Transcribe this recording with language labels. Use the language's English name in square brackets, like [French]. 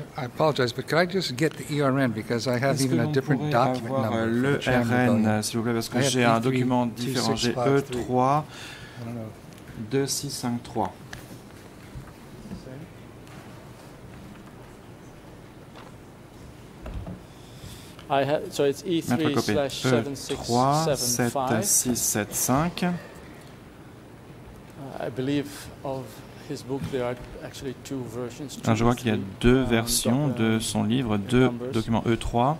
[English] I apologize, but could I just get the ERN because I have even a different document number. [French] Le RN, s'il vous plaît, parce que j'ai un document différent. J'ai E3-2653. [English] I have, so it's E3/7675. I believe of. His book, there are actually two versions, two. [French] Je vois qu'il y a deux versions de son livre, deux documents E3.